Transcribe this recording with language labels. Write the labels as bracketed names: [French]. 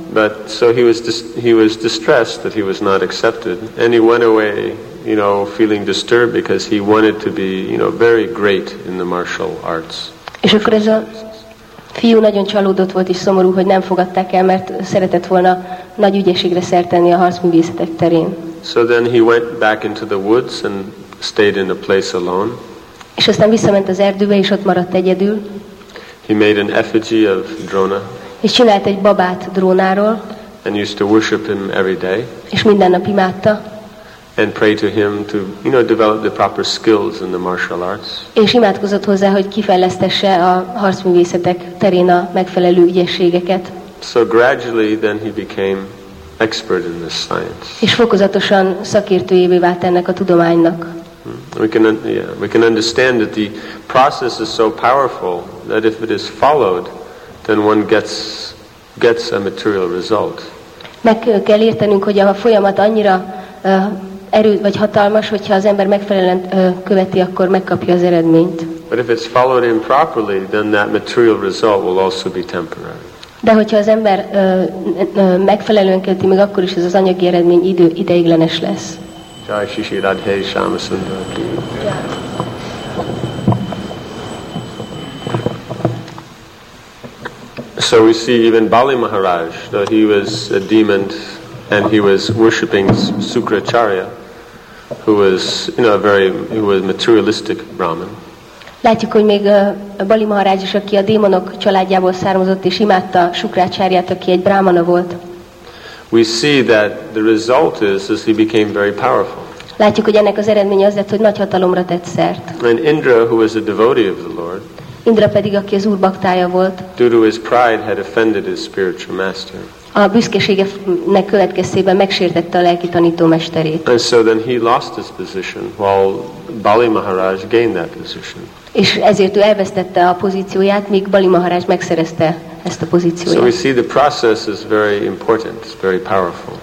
[English] But so he was distressed that he was not accepted, and he went away feeling disturbed because he wanted to be very great in the martial arts. [Hungarian] És akkor ez a fiú nagyon csalódott volt és szomorú, hogy nem fogadták el, mert szeretett volna nagy ügyességre szert tenni a harcművészetek terén. [English] So then he went back into the woods and stayed in a place alone. [Hungarian] És aztán visszament az erdőbe és ott maradt egyedül. [English] He made an effigy of Drona. [Hungarian] És csinált egy babát Drónáról. [English] And used to worship him every day. [Hungarian] És minden nap imádta. [English] And pray to him to develop the proper skills in the martial arts. [Hungarian] És imádkozott hozzá, hogy kifejlesztesse a harcművészetek terén a megfelelő ügyességeket. [English] So gradually then he became expert in this science. [Hungarian] És fokozatosan szakértőjévé vált ennek a tudománynak. [English] We can understand that the process is so powerful that if it is followed, then one gets a material result. [Hungarian] Meg kell értenünk, hogy a folyamat annyira erő vagy hatalmas, hogyha az ember megfelelően követi, akkor megkapja az eredményt. [English] But if it's followed improperly, then that material result will also be temporary. [Hungarian] De hogyha az ember megfelelően követi, meg akkor is ez az anyagi eredmény ideiglenes lesz. [Sanskrit] Jai Shishi Radhe Shyamasundara Ki. [English] So we see even Bali Maharaj, though he was a demon and he was worshipping Sukracharya, who was a materialistic Brahmin. [Hungarian] Látjuk, hogy még Bali Maharaj is, aki a démonok családjából származott és imádta Sukracharyát, aki egy brahmana volt. [English] We see that the result is he became very powerful. [Hungarian] Látjuk, hogy ennek az eredménye az lett, hogy nagy hatalomra tett szert. [English] And Indra, who was a devotee of the Lord, [Hungarian] Indra pedig, aki az Úr baktája volt, [English] due to his pride had offended his spiritual master. [Hungarian] A büszkeségének következtében megsértette a lelki tanító mesterét. [English] And so then he lost his position, while Bali Maharaj gained that position. [Hungarian] És ezért ő elvesztette a pozícióját, míg Bali Maharaj megszerezte ezt a pozícióját. [English] So we see the process is very important, it's very powerful.